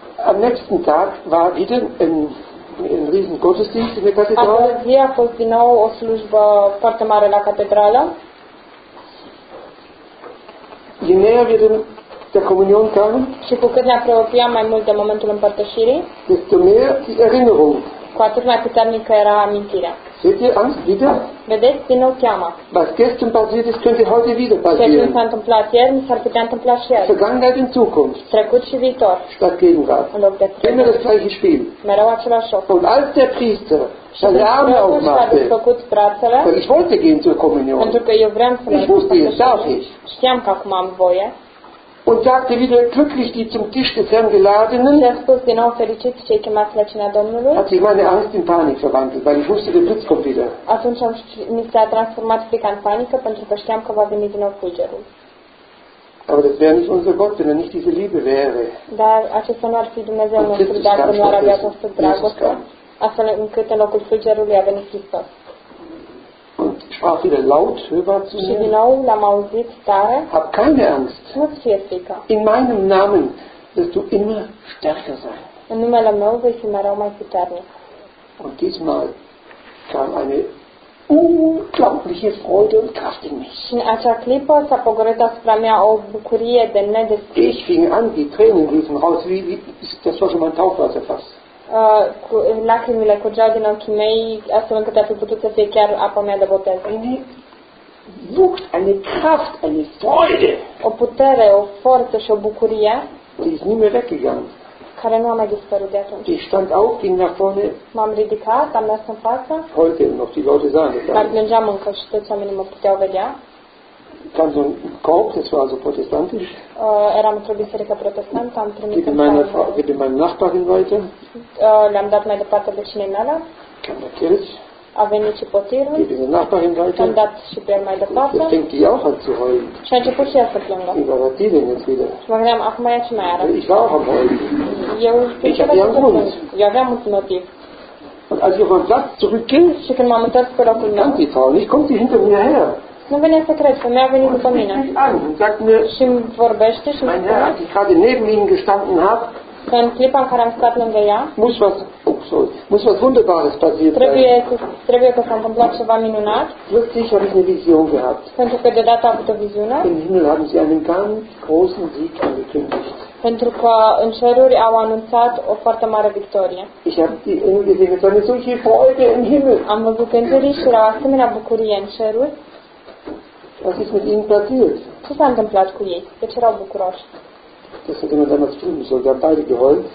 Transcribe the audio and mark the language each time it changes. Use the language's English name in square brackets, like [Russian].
[German] Am nächsten Tag war wieder ein riesen Gottesdienst in der Kathedrale. Aber hier [Romanian] fost din nou o slujbă foarte mare la catedrală. [German] Je näher wir der Kommunion kamen, [Romanian] și cu cât ne apropiam mai mult de momentul împărtășirii, [German] desto mehr die Erinnerung. [Romanian] Cu atât mai puternică era amintirea. [German] Seht ihr Angst wieder? [Romanian] Vedeți, din nou teama. [German] Was gestern passiert ist, könnte heute wieder passieren. [Romanian] Ce s-a întâmplat ieri, s-ar putea întâmpla și ieri. [German] Vergangenheit in Zukunft. [Romanian] Trecut și viitor. [German] Statt Gegenwart. [Romanian] În loc de trecut. [German] Immer das gleiche Spiel. [Romanian] Mereu același joc. [German] Und als der Priester seine Arme aufmachte, weil ich wollte gehen zur Kommunion, [Romanian] pentru că eu vreau să [German] ich wusste es, darf ich. [Romanian] Știam că acum am voie. [German] Und sagte wieder glücklich die zum Tisch des Herrn geladenen. [Romanian] Fericit, [German] hat sich meine Angst in Panik verwandelt, weil ich wusste, der Blitz kommt wieder. [Romanian] Atunci am mi s-a transformat frica în panică pentru că știam că va veni din nou fulgerul. [German] Aber das wäre nicht unser Gott, wenn er nicht diese Liebe wäre. [Romanian] Dar acesta nu ar fi Dumnezeu nostru dacă nu ar avea această dragoste. Astfel încât în locul fulgerului a venit Hristos. [German] Und sprach wieder laut, hörbar zu mir. [Romanian] Și din nou l-am auzit tare. [German] Hab keine Angst. [Romanian] Nu-ți fie frică. [German] In meinem Namen wirst du immer stärker sein. [Romanian] În numele meu vei fi mereu mai puternic. [German] Und diesmal kam eine unglaubliche Freude und Kraft in mich. [Romanian] Și în acea clipă s-a pogorât asupra mea o bucurie de nedescris. [German] Ich fing an, die Tränen liefen raus, wie das war schon mein Taufwasser fast. [Romanian] Lacrimile curgeau din ochii mei, astfel încât ar fi putut să fie chiar apa mea de botez. [German] Wucht, eine Kraft, eine Freude. [Romanian] O putere, o forță și o bucurie. [German] Die ist nie mehr weggegangen. [Romanian] Care nu a mai dispărut de atunci. [German] Ich stand auf, ging nach vorne. [Romanian] M-am ridicat, am mers în față. [German] Heute noch die Leute sahen das. [Romanian] Dar plângeam încă și toți oamenii mă puteau vedea. [German] Kam so ein Korb, das war also protestantisch. [Romanian] Eram într-o biserică protestantă, am primit în sală. [German] Gebe meine Nachbarin weiter. [Romanian] Le-am dat mai departe vecinei mele. [German] Kam der Kirch. [Romanian] A venit și potirul. [German] Gebe meine Nachbarin weiter. [Romanian] Am dat și pe el mai departe. [German] Jetzt fängt die auch an zu heulen. [Romanian] Și a început și ea să plângă. [German] Wie war die denn jetzt wieder? [Romanian] Și mă gândeam, acum ea ce mai are? [German] Ich war auch am heulen. Ich hab ihren Grund. [Romanian] Eu aveam un motiv. [German] Und als ich auf meinen Platz zurückging, [Romanian] și când m-am întors pe locul meu, [German] kam die Frau nicht, kommt die hinter mir her. [Romanian] Nu venea să cred, femeia a venit după mine. Și îmi vorbește și îmi spune. [German] Mein Herr, gerade neben ihm gestanden habe. [Romanian] Că în clipa în care am stat lângă ea. [German] Muss was wunderbares passiert. [Romanian] Trebuie că s-a întâmplat ceva minunat. [German] Plötzlich habe ich eine Vision gehabt. [Romanian] Pentru că deodată am avut o viziune. [German] Im Himmel haben sie einen ganz großen Sieg angekündigt. [Romanian] pentru că în ceruri au anunțat o foarte mare victorie. [German] Ich habe die Engel gesehen, es war eine solche Freude im Himmel. [Romanian] Am văzut îngerii și era o asemenea bucurie în ceruri. [German] Was ist mit ihnen passiert? [Romanian] Ce s-a întâmplat cu ei? De ce erau bucuroși? [German] Das hätte man damals filmen sollen, die haben beide geheult.